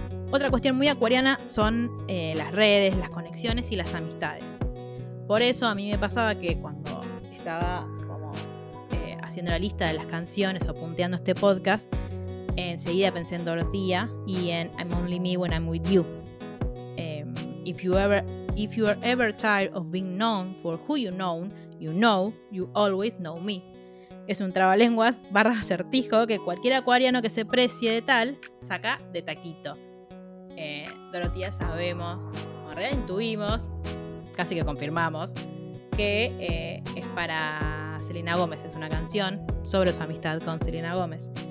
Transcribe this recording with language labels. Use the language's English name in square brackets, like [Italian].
[Spanish] Otra cuestión muy acuariana son las redes, las conexiones y las amistades. Por eso a mí me pasaba que cuando estaba como haciendo la lista de las canciones o punteando este podcast, enseguida pensé en Dorothea y en I'm Only Me When I'm With You. [English] If you're ever tired of being known for who you know, you always know me. [Spanish] Es un trabalenguas barra acertijo que cualquier acuariano que se precie de tal saca de taquito. Dorothea sabemos, o en realidad intuimos, casi que confirmamos, que es para Selena Gómez, es una canción sobre su amistad con Selena Gómez.